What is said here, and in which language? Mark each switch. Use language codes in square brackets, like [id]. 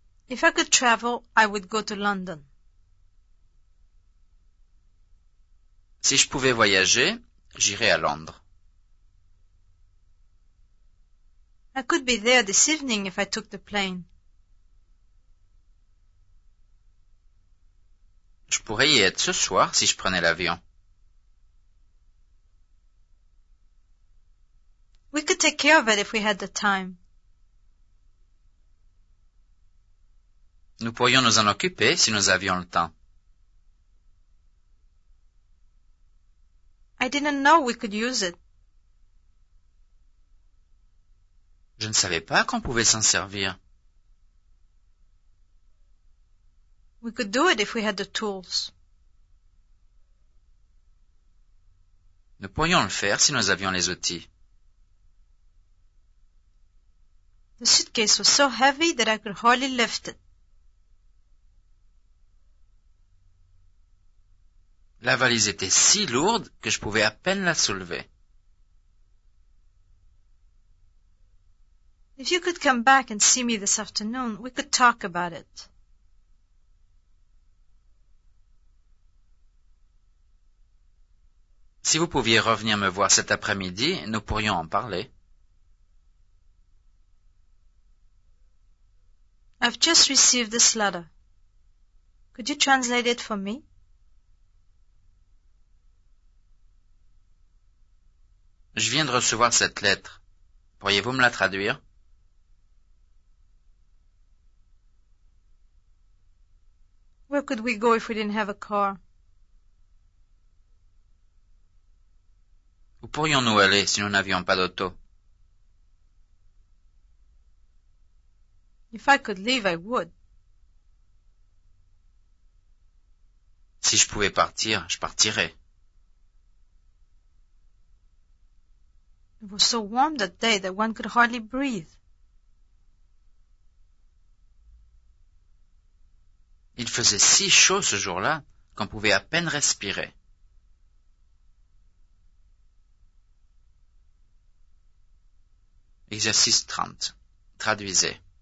[en] If I could travel, I would go to London. [fr] Si je pouvais voyager, j'irais à Londres. [en] I could be there this evening if I took the plane. [fr] Je pourrais y être ce soir si je prenais l'avion. [en] We could take care of it if we had the time. [fr] Nous pourrions nous en occuper si nous avions le temps. [en] I didn't know we could use it. [fr] Je ne savais pas qu'on pouvait s'en servir. [en] We could do it if we had the tools. [fr] Nous pourrions le faire si nous avions les outils. [en] The suitcase was so heavy that I could hardly lift it. [fr] La valise était si lourde que je pouvais à peine la soulever. [en] If you could come back and see me this afternoon, we could talk about it. [fr] Si vous pouviez revenir me voir cet après-midi, nous pourrions en parler. [en] I've just received this letter. Could you translate it for me? [fr] Je viens de recevoir cette lettre. Pourriez-vous me la traduire? [en] Where could we go if we didn't have a car? [fr] Où pourrions-nous aller si nous n'avions pas d'auto? [en] If I could leave, I would. [fr] Si je pouvais partir, je partirais. [en] It was so warm that day that one could hardly breathe. [fr] Il faisait si chaud ce jour-là qu'on pouvait à peine respirer. Exercice 30. Traduisez.